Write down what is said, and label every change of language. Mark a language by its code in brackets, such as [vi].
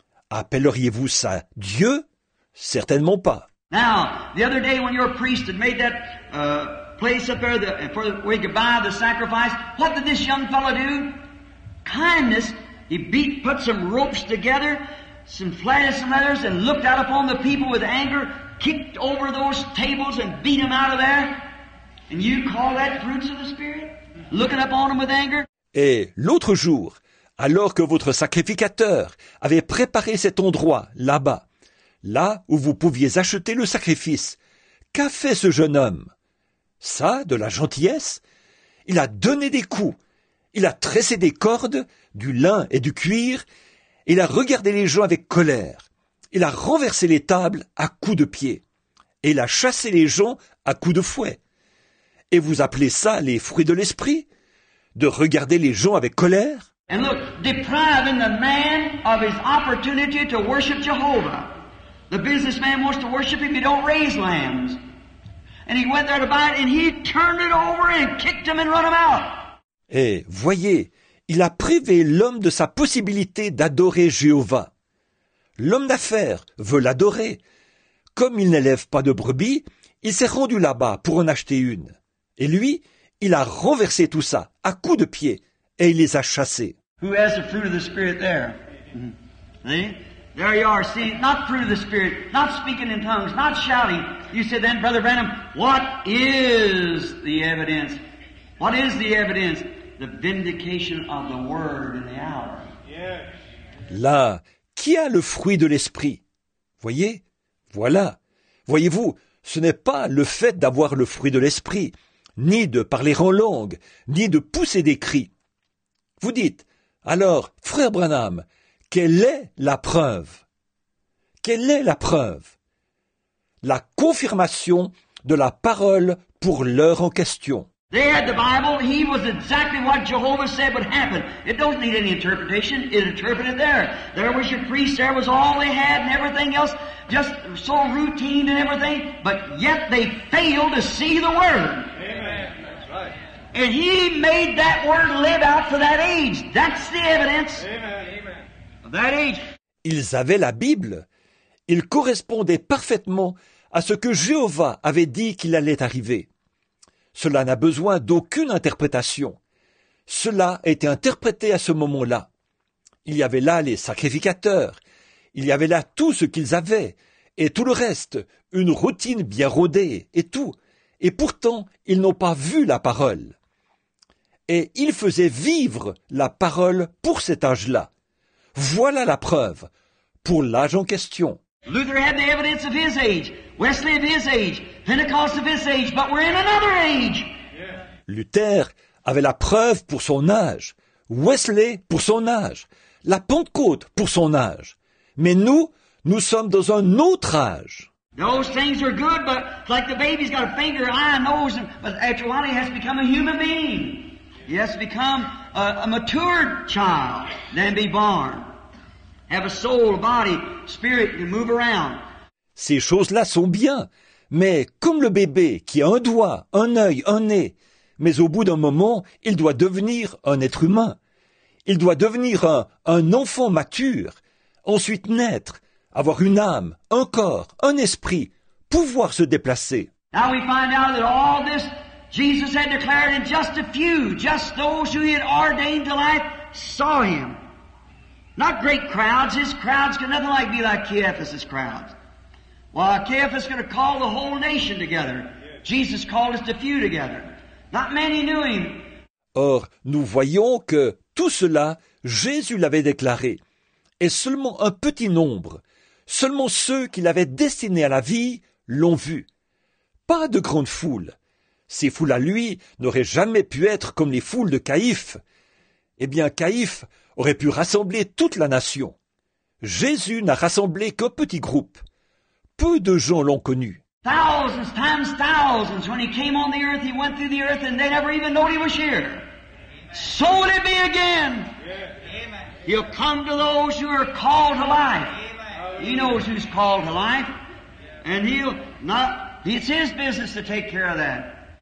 [fr] Appelleriez-vous ça Dieu? Certainement pas. [en] Now, the other day when your priest had made that place up there for where he could buy the sacrifice, what did this young fellow do? Kindness. He put some ropes together, some flattened some leathers, and looked out upon the people with anger, kicked over those tables and beat them out of there. And you call that fruits of the Spirit? Looking upon them with anger? [fr] Et l'autre jour, alors que votre sacrificateur avait préparé cet endroit là-bas, là où vous pouviez acheter le sacrifice, qu'a fait ce jeune homme? Ça, de la gentillesse? Il a donné des coups, il a tressé des cordes, du lin et du cuir, il a regardé les gens avec colère, il a renversé les tables à coups de pied, et il a chassé les gens à coups de fouet. Et vous appelez ça les fruits de l'esprit? De regarder les gens avec colère. [en] And look, depriving the man of his opportunity to worship Jehovah. The businessman wants to worship him, he don't raise lambs. And he went there to buy it and he turned it over and kicked him and run him out. [fr] Et voyez, il a privé l'homme de sa possibilité d'adorer Jéhovah. L'homme d'affaires veut l'adorer. Comme il n'élève pas de brebis, il s'est rendu là-bas pour en acheter une. Et lui, il a renversé tout ça à coups de pied et il les a chassés. [en] Who has the fruit of the Spirit there? See? There you are. See, not fruit of the Spirit, not speaking in tongues, not shouting. You say then, Brother Branham, what is the evidence? What is the evidence? The vindication of the Word in the hour. Yes. [fr] Là, qui a le fruit de l'Esprit? Voyez? Voilà. Voyez-vous, ce n'est pas le fait d'avoir le fruit de l'Esprit, ni de parler en langue, ni de pousser des cris. Vous dites, alors, frère Branham, quelle est la preuve? Quelle est la preuve? La confirmation de la parole pour l'heure en question. [en] They had the Bible, he was exactly what Jehovah said would happen. It don't need any interpretation, it interpreted there. There was your priest, there was all they had and everything else, just so routine and everything, but yet they failed to see the Word. And he made that word live out for that age. That's the evidence. Amen. Of that age. [fr] Ils avaient la Bible. Ils correspondaient parfaitement à ce que Jéhovah avait dit qu'il allait arriver. Cela n'a besoin d'aucune interprétation. Cela a été interprété à ce moment-là. Il y avait là les sacrificateurs. Il y avait là tout ce qu'ils avaient. Et tout le reste, une routine bien rodée et tout. Et pourtant, ils n'ont pas vu la parole. Et ils faisaient vivre la parole pour cet âge-là. Voilà la preuve pour l'âge en question. [en] Luther had the evidence of his age, Wesley of his age, Pentecost of his age, but we're in another age. [fr] Luther avait la preuve pour son âge, Wesley pour son âge, la Pentecôte pour son âge. Mais nous, nous sommes dans un autre âge. [en] Those things are good, but like the baby's got a finger, eye, nose, and, but after a while he has become a human being. He has become a matured child, then be born. Have a soul, a body, spirit, to move around. [fr] Ces choses-là sont bien, mais comme le bébé qui a un doigt, un œil, un nez, mais au bout d'un moment, il doit devenir un être humain. Il doit devenir un enfant mature, ensuite naître, avoir une âme, un corps, un esprit, pouvoir se déplacer. [en] Now we find out that all this Jesus had declared in just a few, just those who he had ordained to life, saw him. Not great crowds, his crowds could nothing like be like Caiaphas' crowds. Well, Caiaphas could have called the whole nation together. Jesus called us to few together. Not many knew him. [fr] Or, nous voyons que tout cela, Jésus l'avait déclaré. Et seulement un petit nombre, seulement ceux qui l'avaient destiné à la vie l'ont vu. Pas de grande foule. Ces foules à lui n'auraient jamais pu être comme les foules de Caïphe. Eh bien, Caïphe aurait pu rassembler toute la nation. Jésus n'a rassemblé qu'un petit groupe. Peu de gens l'ont connu. [en] Thousands times thousands. When he came on the earth, he went through the earth and they never even knew he was here. Amen. So will it be again. Amen. He'll come to those who are called to life. Amen. He knows who's called to life. And he'll not, it's his business to take care of that.